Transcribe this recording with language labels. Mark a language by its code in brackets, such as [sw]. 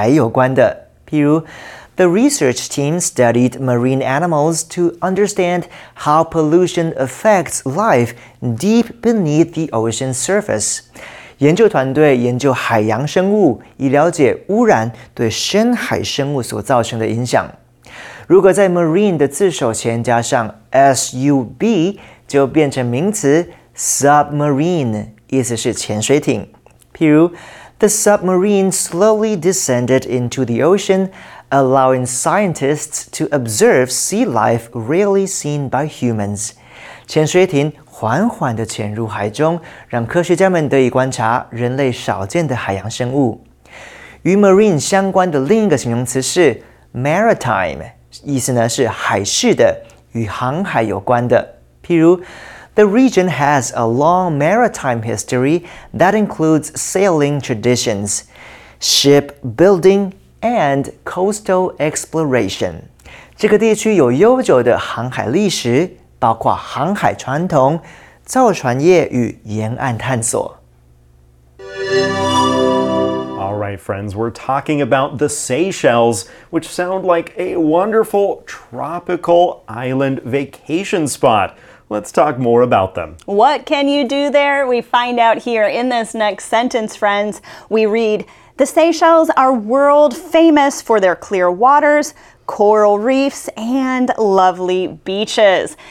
[en] The research team studied marine animals to understand how pollution affects life deep beneath the ocean surface. [zh] 研究团队研究海洋生物，以了解污染对深海生物所造成的影响。如果在 marine 的字首前加上 sub， 就变成名词 submarine。意思是潜水艇。譬如 [en] The submarine slowly descended into the ocean, allowing scientists to observe sea life rarely seen by humans. [zh] 潜水艇缓缓地潜入海中，让科学家们得以观察人类少见的海洋生物。与 marine 相关的另一个形容词是 maritime， 意思呢是海事的，与航海有关的。譬如 [en] The region has a long maritime history that includes sailing traditions, ship building, and coastal exploration. [zh] 这个地区有悠久的航海历史，包括航海传统、造船业与沿岸探索。 [en] All right, friends, we're talking about the Seychelles, which sound like a wonderful tropical island vacation spot. Let's talk more about them. What can you do there? We find out here in this next sentence, friends. We read, The Seychelles are world famous for their clear waters, coral reefs, and lovely beaches.